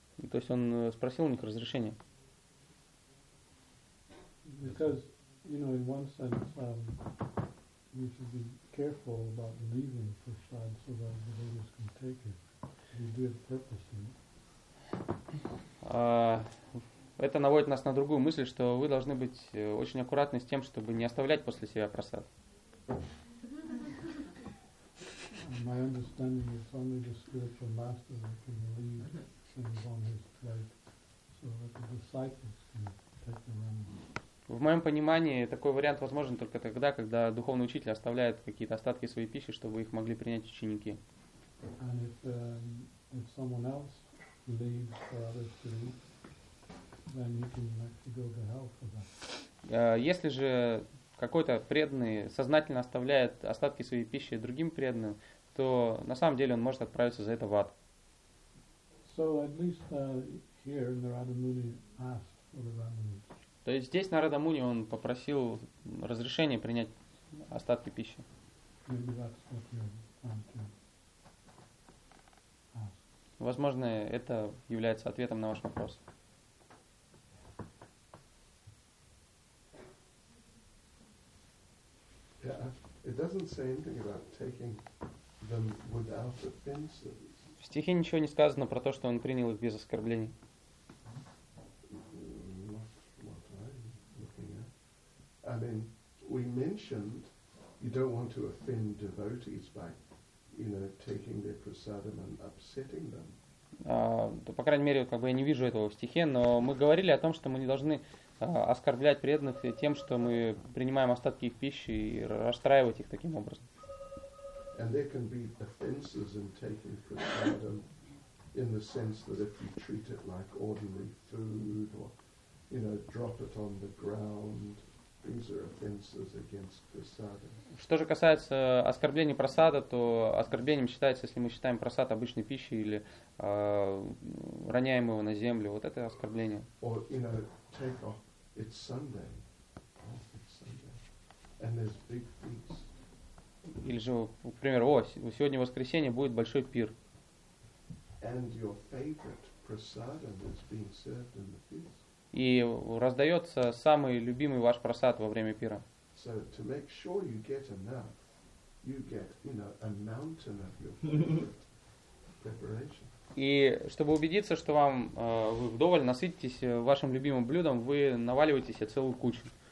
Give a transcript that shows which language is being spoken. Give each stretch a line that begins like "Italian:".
Russian: То есть он спросил у них разрешение.
English: Because, you know, in one sense, we should be careful about leaving prasad so that the devotees can take it. You do it purposely.
Russian: Это наводит нас на другую мысль, что вы должны быть очень аккуратны с тем, чтобы не оставлять после себя просад.
English: My understanding is only the spiritual master that can leave things on his plate so that the disciples can take the remnants.
Russian: В моем понимании такой вариант возможен только тогда, когда духовный учитель оставляет какие-то остатки своей пищи, чтобы их могли принять ученики.
English: And if someone else leaves for others to eat, then you can actually go to hell for that.
Russian: Если же какой-то преданный сознательно оставляет остатки своей пищи другим преданным, то на самом деле он может отправиться за это в ад.
English: So at least here Narada Muni asked for the remnants.
Russian: То есть здесь Нарада Муни он попросил разрешения принять остатки пищи.
English: Maybe that's what you're trying to ask.
Russian: Возможно, это является ответом на ваш вопрос.
English: It doesn't say anything about taking them without offenses.
Russian: В стихе ничего не сказано про то, что он принял их без оскорблений.
English: Not what I'm looking at. I mean, we mentioned you don't want to offend devotees by, you know, taking their prasadam and upsetting them.
Russian: По крайней мере, как бы я не вижу этого в стихе, но мы говорили о том, что мы не должны оскорблять преданных тем, что мы принимаем остатки их пищи и расстраивать их таким образом.
English: And there can be offenses in taking prasadam in the sense that if you treat it like ordinary food or, you know, drop it on the ground, these are offenses against prasadam.
Russian: Что же касается оскорблений прасада, то оскорблением считается, если мы считаем прасад обычной пищей или роняем его на землю. Вот это оскорбление.
English: Or, you know, take off. It's Sunday. Oh, it's Sunday. And there's big feast.
Russian: Или же, к примеру, сегодня воскресенье, будет большой пир.
English: And your favorite prasadam is being served in the feast.
Russian: И раздается самый любимый ваш прасад во время пира.
English: So to make sure you get enough, you get, you know, a mountain of your favorite preparation.
Russian: И чтобы убедиться, что вам вы вдоволь насытитесь вашим любимым блюдом, вы наваливаете себе целую кучу.